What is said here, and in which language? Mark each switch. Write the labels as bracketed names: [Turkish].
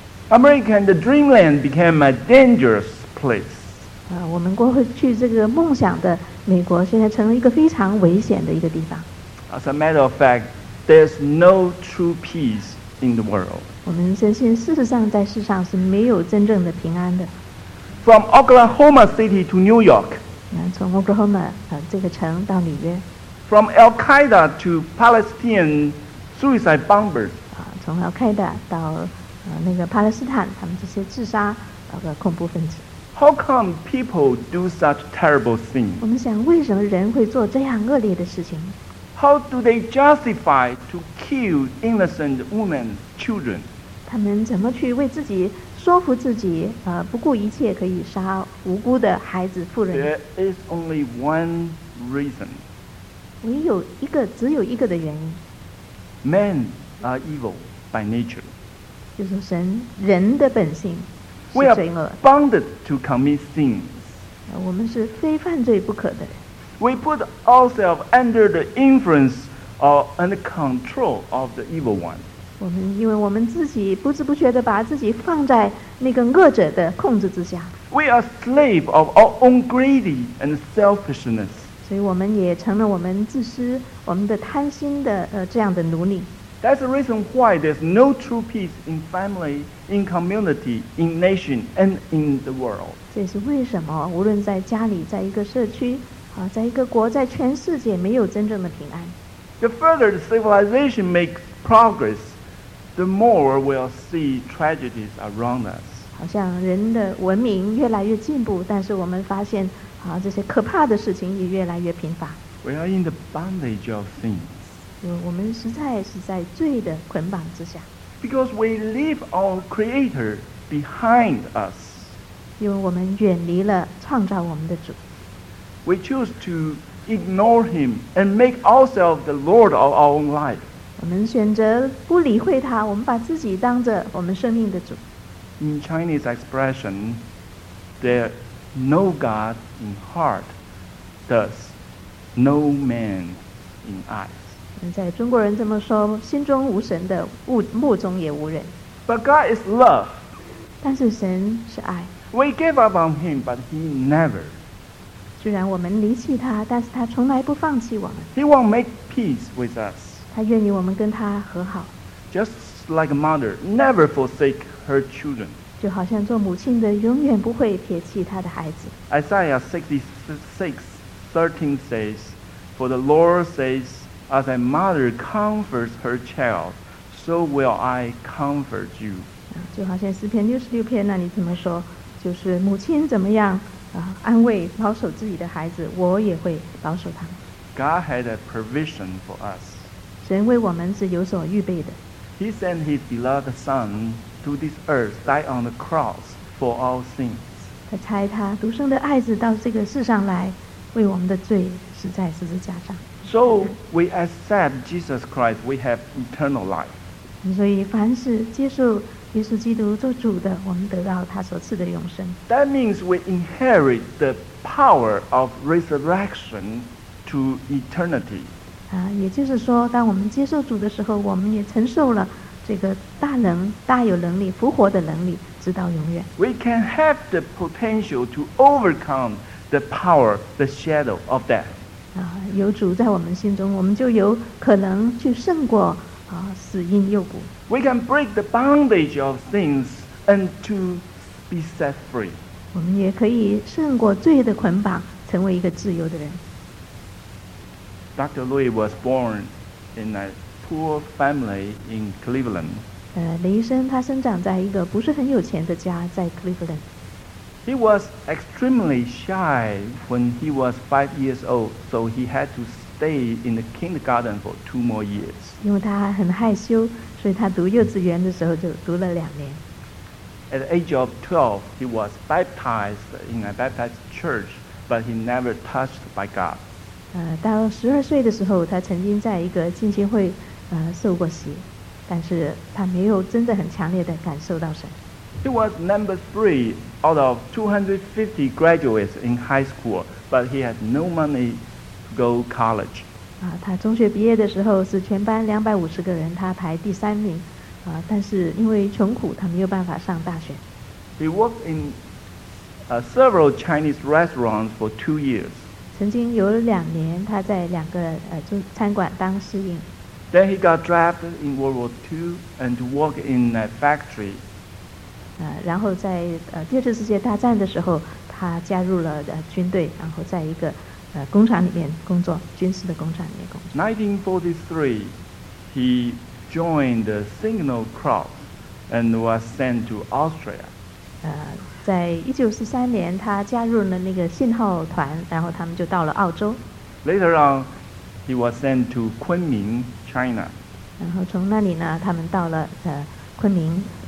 [English] America and the dreamland became a dangerous place [Chinese] 我们过去这个梦想的美国现在成了一个非常危险的一个地方。 [English] As a matter of fact, there's no true peace in the world. [Chinese] 我们相信，事实上在世上是没有真正的平安的。 [English] From Oklahoma City to New York. [Chinese] 从 Oklahoma 这个城到纽约。 [English] From Al Qaeda to Palestinian suicide bombers. [Chinese] 从 Al Qaeda 到那个巴勒斯坦他们这些自杀的恐怖分子。 [English] How come people do such terrible things? [Chinese] 我们想，为什么人会做这样恶劣的事情？ [English] How do they justify to kill innocent women, children? [Chinese] 他们怎么去为自己说服自己，不顾一切可以杀无辜的孩子、妇人？ [English] There is only one reason. [Chinese] 只有一个的原因。 [English] Men are evil by nature. [Chinese] 就是神，人的本性。 [English] We are bounded to commit sins. [Chinese] 我们是非犯罪不可的。 [English] We put ourselves under the influence or under control of the evil one. [Chinese] 我们因为我们自己不知不觉地把自己放在那个恶者的控制之下。 [English] We are slaves of our own greed and selfishness. [Chinese] 所以我们也成了我们自私、我们的贪心的这样的奴隶。 [English] That's the reason why there's no true peace in family, in community, in nation, and in the world. [Chinese] 这是为什么？无论在家里，在一个社区，在一个国，在全世界，没有真正的平安。 [English] The further the civilization makes progress, the more we'll see tragedies around us. [Chinese] 好像人的文明越来越进步，但是我们发现，这些可怕的事情也越来越频发。 [English] We are in the bondage of sin. [Chinese] 我们实在是在罪的捆绑之下。 [English] Because we leave our Creator behind us. [Chinese] 因为我们远离了创造我们的主。 [English] We choose to ignore Him and make ourselves the Lord of our own life. [Chinese] 我们选择不理会他，我们把自己当着我们生命的主。 [English] In Chinese expression, there no God in heart, thus no man in eye. [Chinese] 在中国人这么说，心中无神的目中也无人。 [English] But God is love. [Chinese] 但是神是爱。 [English] We gave up on Him, but He never. [Chinese] 虽然我们离弃他，但是他从来不放弃我们。 [English] He won't make peace with us. [Chinese] 他愿意我们跟他和好。 [English] Just like a mother, never forsake her children. [Chinese] 就好像做母亲的永远不会撇弃他的孩子。 [English] Isaiah 66, 13 says, For the Lord says, As a mother comforts her child, so will I comfort you. [Chinese] 就好像诗篇66篇那里怎么说，就是母亲怎么样安慰保守自己的孩子，我也会保守他。 [English] God had a provision for us. [Chinese] 神为我们是有所预备的。 [English] He sent his beloved son to this earth, died on the cross for all sins. [Chinese] 他差他独生的爱子到这个世上来，为我们的罪死在十字架上。 [English] So we accept Jesus Christ, we have eternal life. [Chinese] 所以凡是接受耶稣基督做主的，我们得到他所赐的永生。 [English] That means we inherit the power of resurrection to eternity. [Chinese] 也就是说，当我们接受主的时候，我们也承受了这个大能、大有能力、复活的能力，直到永远。 [English] We can have the potential to overcome the power, the shadow of death. [Chinese] 有主在我们心中，我们就有可能去胜过死因诱惑。 [English] We can break the bondage of things and to be set free. [Chinese] 我们也可以胜过罪的捆绑，成为一个自由的人。 [English] Dr. Louis was born in a poor family in Cleveland. [Chinese] 雷医生他生长在一个不是很有钱的家，在 Cleveland. [English] He was extremely shy when he was 5 years old, so he had to stay in the kindergarten for 2 more years. [Chinese] 因为他很害羞。所以他读幼稚园的时候就读了两年。 [English] At the age of 12, he was baptized in a Baptist church, but he never touched by God. [Chinese] 到12岁的时候，他曾经在一个浸信会受过洗，但是他没有真的很强烈的感受到神。 [English] He was number 3 out of 250 graduates in high school, but he had no money to go to college. [Chinese] 他中学毕业的时候是全班250个人，他排第三名，但是因为穷苦，他没有办法上大学。 [English] He worked in several Chinese restaurants for 2 years. [Chinese] 曾经有2年，他在2个餐馆当侍应。 [English] Then he got drafted in World War II and worked in a factory. [Chinese] 然后在第二次世界大战的时候，他加入了军队，然后在一个。工厂里面工作，军事的工厂里面工作。 [English] 1943, he joined the Signal Corps and was sent to Austria. [Chinese] 在1943年，他加入了那个信号团，然后他们就到了澳洲。 [English] Later on, he was sent to Kunming, China. [Chinese] 然后从那里呢，他们到了昆明。